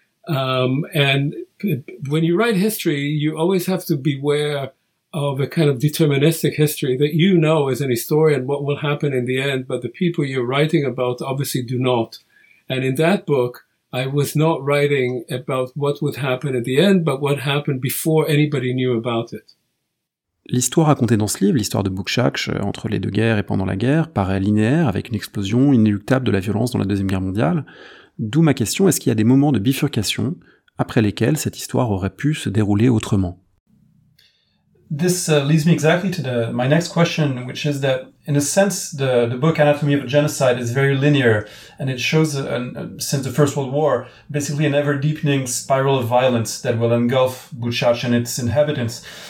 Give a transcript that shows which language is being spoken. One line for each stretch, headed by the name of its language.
English: And when you write history, you always have to beware of a kind of deterministic history that, you know, as an historian, what will happen in the end, but the people you're writing about obviously do not. And in that book, I was not writing about what would happen at the end, but what happened before anybody knew about it.
French: L'histoire racontée dans ce livre, l'histoire de Buchac, entre les deux guerres et pendant la guerre, paraît linéaire avec une explosion inéluctable de la violence dans la Deuxième Guerre mondiale. D'où ma question, est-ce qu'il y a des moments de bifurcation après lesquels cette histoire aurait pu se dérouler autrement?
English: this leads me exactly to my next question, which is that, in a sense, the book Anatomy of a Genocide is very linear, and it shows, since the First World War, basically an ever-deepening spiral of violence that will engulf Butchach and its inhabitants.